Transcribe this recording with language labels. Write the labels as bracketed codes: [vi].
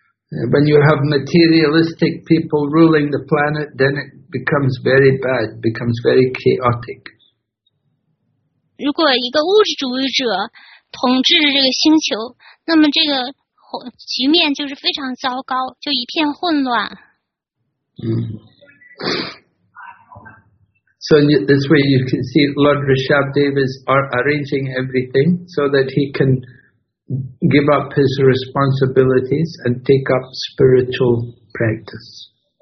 [en] When you have materialistic people ruling the planet, then it becomes very bad, becomes very chaotic. [zh] 如果一个物质主义者统治着这个星球，那么这个局面就是非常糟糕，就一片混乱。嗯。 [en] So this way you can see Lord Rishabdev is arranging everything so that he can give up his responsibilities and take up spiritual practice.